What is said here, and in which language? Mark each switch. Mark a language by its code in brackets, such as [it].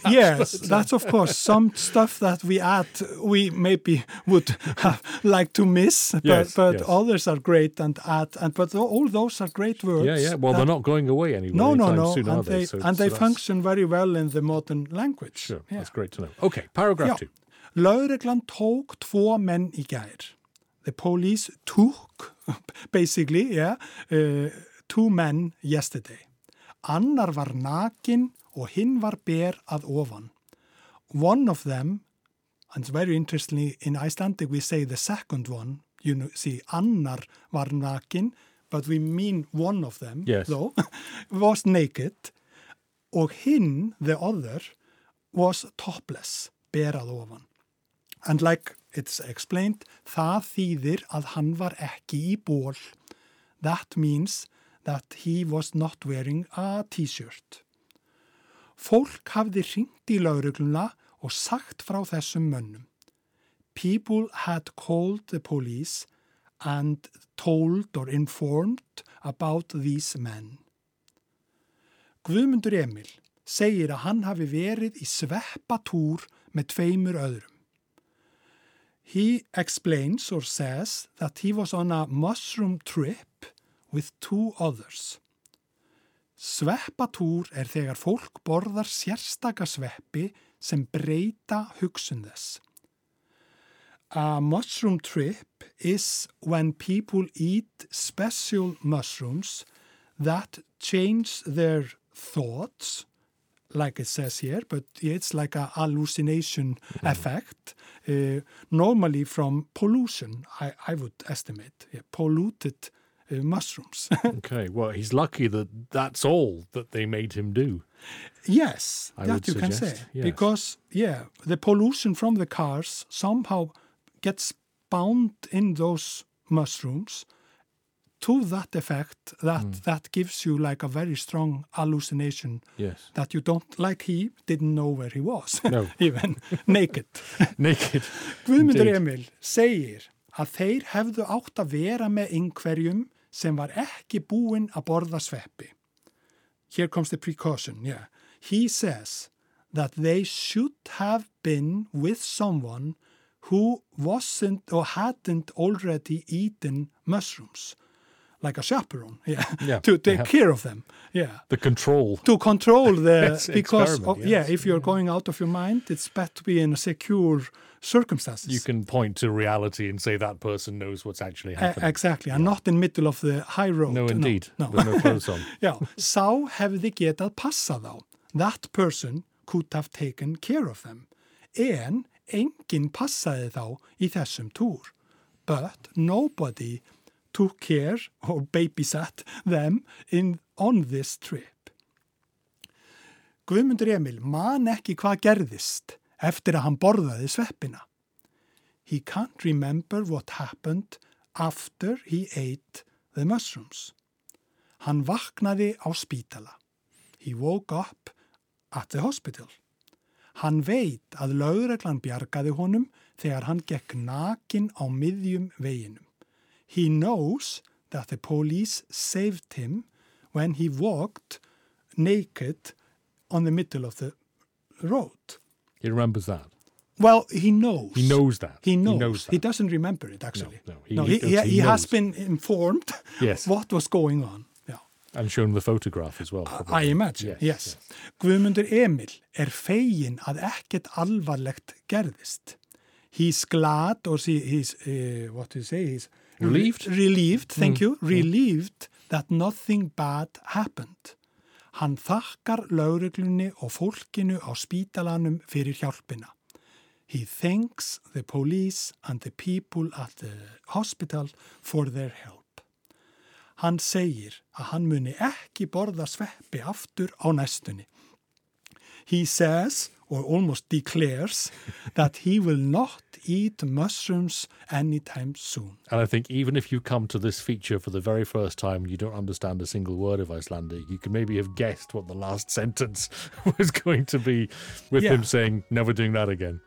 [en] Well, yes, that's of course some stuff that we add, we maybe would like to miss, but others are great and add, and but all those are great words. Yeah, yeah. Well, they're not going away anywhere. No. Soon, and they, so, and so they function very well in the modern language. Sure, yeah. That's great to know. Okay, paragraph two. [is] Lögreglan tók tvo menn í gær. [en] The police took, basically, two men yesterday. [is] Annar var nakin og hinn var ber að ofan. [en] One of them, and very interestingly, in Icelandic we say the second one, you know, see, [is] annar var nakin, [en] but we mean one of them, yes. Though, was naked. [is] Og hinn, [en] the other, was topless, [is] ber að ofan. [en] And like it's explained, [is] það þýðir að hann var ekki í ból. [en] That means that he was not wearing a t-shirt. [is] Fólk hafði hringt í lögregluna og sagt frá þessum mönnum. [en] People had called the police and told or informed about these men. [is] Guðmundur Emil segir að hann hafi verið í sveppatúr með tveimur öðrum. [en] He explains or says that he was on a mushroom trip with two others. [is] Sveppatúr er þegar fólk borðar sérstaka sveppi sem breyta hugsun þess. [en] A mushroom trip is when people eat special mushrooms that change their thoughts, like it says here, but it's like a hallucination effect, normally from pollution, I would estimate, polluted mushrooms. Okay, well, he's lucky that that's all that they made him do. Yes, that you can say. Yes. Because, yeah, the pollution from the cars somehow gets bound in those mushrooms to that effect that that gives you like a very strong hallucination yes. that you don't, like he didn't know where he was, no. even naked. naked. [is] Guðmundur Emil segir að þeir hefðu átt að vera með einhverjum sem var ekki búin að borða sveppi. [en] Here comes the precaution, yeah. He says that they should have been with someone who wasn't or hadn't already eaten mushrooms. Like a chaperone, to take care of them. Yeah. The control. To control the, because, if you're going out of your mind, it's better to be in a secure circumstances. You can point to reality and say that person knows what's actually happening. Exactly, and not in the middle of the high road. No, indeed, with no clothes on. [is] Sá hefði getað passa þá. [en] That person could have taken care of them. [is] En engin passaði þá í þessum túr. [en] But nobody took care or babysat them in on this trip. [is] Guðmundur Emil man ekki hvað gerðist eftir að hann borðaði sveppina. [en] He can't remember what happened after he ate the mushrooms. [is] Hann vaknaði á spítala. [en] He woke up at the hospital. [is] Hann veit að lögreglan bjargaði honum þegar hann gekk nakin á miðjum veginum. [en] He knows that the police saved him when he walked naked on the middle of the road. He remembers that. Well, he knows. He knows that. He knows. He knows that. He doesn't remember it, actually. No, he knows. Has been informed yes. what was going on. Yeah. And shown the photograph as well. I imagine, yes. [is] Guðmundur Emil fegin að ekkert alvarlegt gerðist. [en] He's glad, or he's, what do you say, he's... Relieved. Relieved, thank you. Relieved that nothing bad happened. [is] Hann þakkar lögreglunni og fólkinu á spítalanum fyrir hjálpina. [en] He thanks the police and the people at the hospital for their help. [is] Hann segir að hann muni ekki borða sveppi aftur á næstunni. [en] He says, or almost declares, that he will not eat mushrooms anytime soon. And I think even if you come to this feature for the very first time, you don't understand a single word of Icelandic, you can maybe have guessed what the last sentence was going to be with him saying, never doing that again.